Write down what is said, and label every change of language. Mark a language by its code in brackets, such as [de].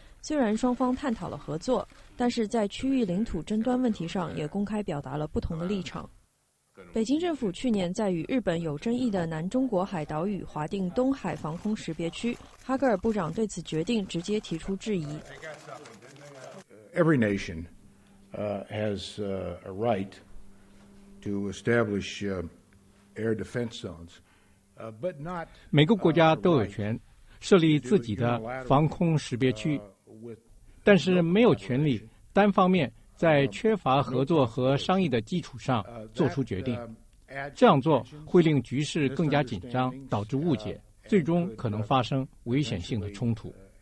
[zh] 虽然双方探讨了合作，但是在区域领土争端问题上也公开表达了不同的立场。北京政府去年在与日本有争议的南中国海岛屿划定东海防空识别区，哈格尔部长对此决定直接提出质疑。 [en] Every nation has a right to establish air defense zones, but not [zh] 每个国家都有权设立自己的防空识别区，但是没有权利单方面在缺乏合作和商议的基础上做出决定，这样做会令局势更加紧张，导致误解，最终可能发生危险性的冲突。